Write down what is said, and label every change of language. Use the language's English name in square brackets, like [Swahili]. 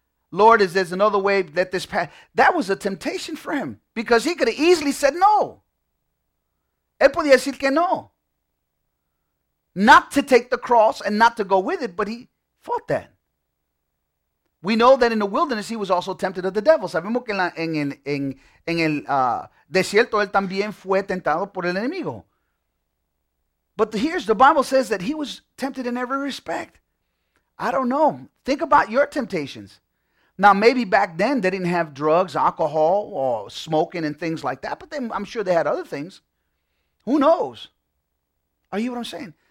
[English] Lord, is there another way that this path? That was a temptation for him because he could have easily said no. [Spanish] Él podía decir que no. [English] Not to take the cross and not to go with it, but he fought that. We know that in the wilderness he was also tempted of the devil. [Spanish] Sabemos que en el desierto él también fue tentado por el enemigo. [English] But here's the Bible says that he was tempted in every respect. I don't know. Think about your temptations. Now maybe back then they didn't have drugs, alcohol, or smoking and things like that. But I'm sure they had other things. Who knows? Are you what I'm saying?